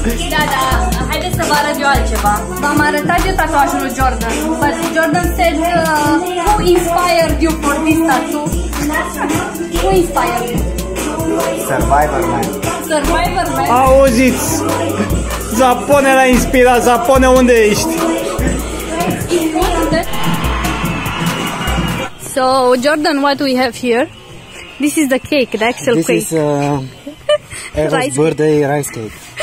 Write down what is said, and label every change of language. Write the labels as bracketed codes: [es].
[ro] Da, da, haideți să vă arăt eu altceva. V-am arătat eu tatuajul lui Jordan. [en] But Jordan said, who inspired you for this tattoo? Who inspired you? Survivor man. [ro] Auziți, Zapone l-a inspirat. Zapone, unde ești? [en] So, Jordan, what we have here? This is the cake, the actual cake. This is Eva's birthday rice cake.